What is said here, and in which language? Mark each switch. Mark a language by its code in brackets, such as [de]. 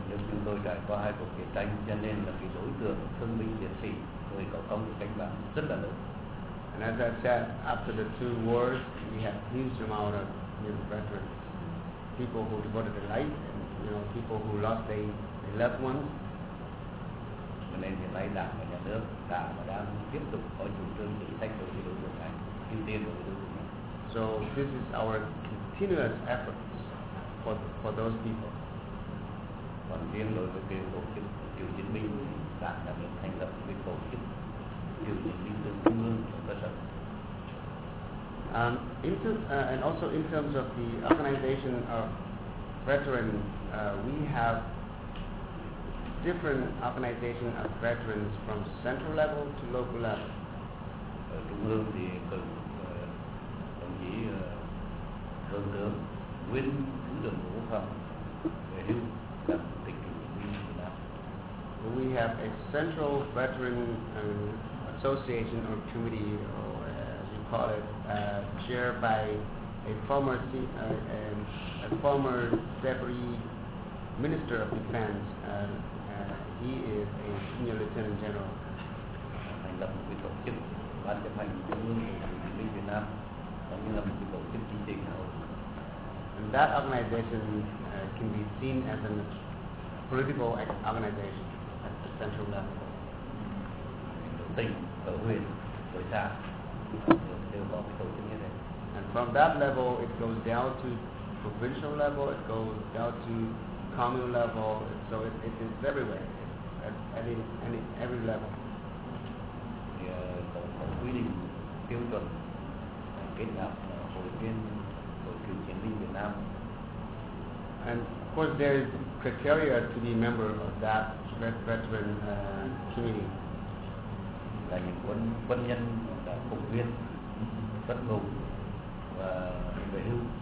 [vi] Chúng tôi trải qua hai cuộc chiến tranh, cho nên là cái đối tượng thương binh liệt sĩ, người có công với cách mạng rất là lớn. [en] And as I said, after the two wars, we have huge amount of new veterans, people who devoted their life, you know, people who lost their loved ones. [vi] Nên hiện nay đảng và nhà nước đã và đang tiếp tục có chủ trương chính sách đối với đối tượng này, ưu tiên đối với đối tượng này. [en] So this is our continuous efforts for those people. [vi] Còn riêng đối với cái tổ chức cựu chiến binh thì đảng đã được thành lập cái tổ chức cựu chiến binh từ trung ương cho cơ sở. [en] And also in terms of the organization of veterans, we have different organization of veterans from central level to local level. [vi] Trung ương thì có đồng chí thượng tướng Nguyễn Thứ Đường Vũ Phạm về hưu làm chủ tịch cựu chiến binh Việt Nam. [en] We have a central veteran association or committee, or as you call it, chaired by a former deputy minister of defense. He is a senior lieutenant general. [vi] Thành lập một cái tổ chức ban chấp hành trung ương của cựu chiến binh Việt Nam, cũng như là một cái tổ chức chính trị xã hội. [en] And that organization can be seen as a political organization at the central level. [vi] Ở tỉnh, ở huyện, ở xã đều có cái tổ chức như thế. [en] And from that level, it goes down to provincial level, it goes down to communal level, so it is everywhere. At every level. [vi] Thì có quy định tiêu chuẩn kết nạp hội viên của cựu chiến binh Việt Nam. [en] And of course there is criteria to be a member of that veteran community. [vi] Là những quân nhân đã phục viên xuất ngũ và về hưu.